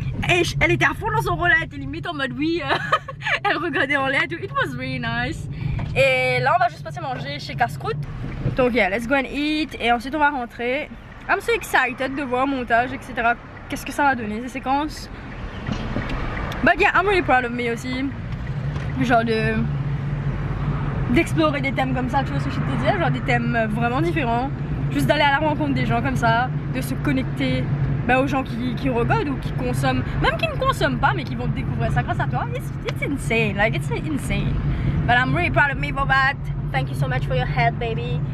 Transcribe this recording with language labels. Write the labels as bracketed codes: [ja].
[fr] Et elle était à fond dans son rôle, elle était limite en mode oui. Elle regardait en l'air, tout. [en] It was really nice. [fr] Et là, on va juste passer manger chez Casse-Croûte. Donc, [en] yeah, let's go and eat. [fr] Et ensuite, on va rentrer. [en] I'm so excited [fr] de voir le montage, etc. Qu'est-ce que ça va donner, ces séquences. [en] But yeah, I'm really proud of me aussi. [fr] Genre d'explorer des thèmes comme ça, tu vois ce que je te disais. Genre des thèmes vraiment différents. Juste d'aller à la rencontre des gens comme ça, de se connecter bah, aux gens qui regardent ou qui consomment, même qui ne consomment pas mais qui vont découvrir ça grâce à toi. [en] It's insane, like it's insane. But I'm really proud of me for that. Thank you so much for your help, baby.